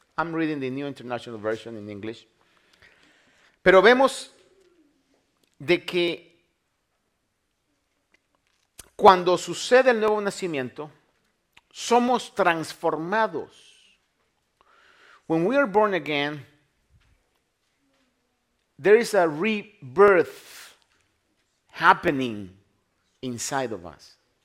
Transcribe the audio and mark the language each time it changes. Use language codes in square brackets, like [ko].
[en] I'm reading the New International Version in English. [es] Pero vemos de que cuando sucede el nuevo nacimiento, somos transformados. [en] When we are born again, there is a rebirth happening inside of us.